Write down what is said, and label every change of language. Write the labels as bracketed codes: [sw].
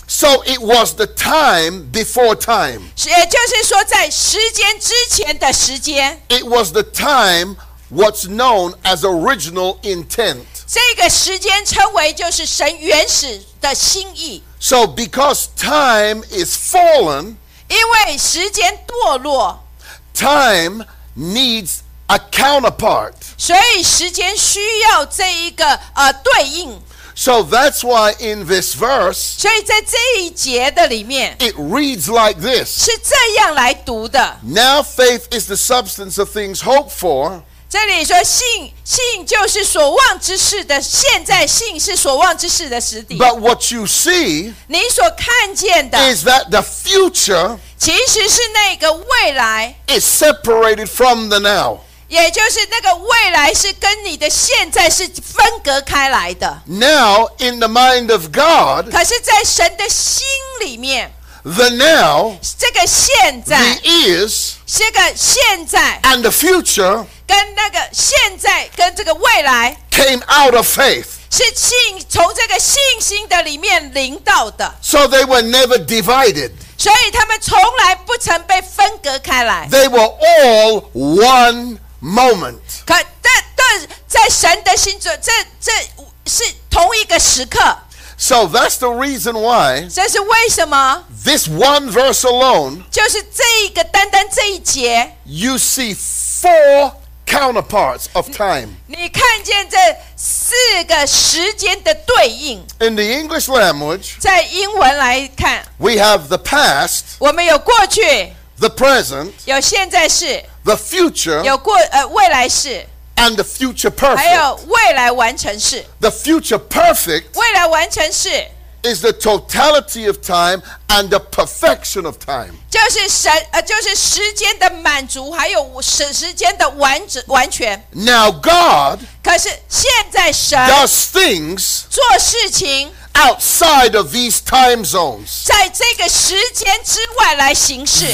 [en] So it was the time before time, [zh] 也就是说在时间之前的时间。 [en] It was the time what's known as original intent. [zh] 这个时间称为就是神原始的心意。 [en] So because time is fallen, [zh] 因为时间堕落 [en] time needs a counterpart. [zh] 所以时间需要这一个对应。 [en] So that's why in this verse, [zh] 所以在这一节的里面 [en] it reads like this. [zh] 是这样来读的。 [en] Now faith is the substance of things hoped for. [zh] 这里说信，信就是所望之事的现在，信是所望之事的实底。 [en] But what you see, [zh] 你所看见的 [en] is that the future, [zh] 其实是那个未来 [en] is separated from the now, [zh] 也就是那个未来是跟你的现在是分隔开来的。 [en] Now in the mind of God, [zh] 可是在神的心里面。 [en] The now, [zh] 这个现在 [en] the is, [zh] 这个现在 [en] and the future, [zh] 跟那个现在跟这个未来 [en] came out of faith, [zh] 是信从这个信心的里面领到的 [en] So they were never divided, [zh] 所以他们从来不曾被分隔开来 [en] They were all one moment, [zh] 可但在神的心中 这是同一个时刻 [en] So that's the reason why. [zh] 这是为什么 [en] This one verse alone. [zh] 就是这一个单单这一节 [en] You see four counterparts of time. [zh] 你看见这四个时间的对应 [en] In the English language. [zh] 在英文来看 [en] We have the past. [zh] 我们有过去 [en] The present. [zh] 有现在式 [en] The future. [zh] 有过未来式 [en] And the future perfect. [zh] 还有未来完成式 [en] The future perfect. [zh] 未来完成式 [en] is the totality of time and the perfection of time. [zh] 就是神就是时间的满足，还有时间的完全。 [en] Now God. [zh] 可是现在神 [en] does things. [zh] 做事情 [en] outside of these time zones. [zh] 在这个时间之外来行事。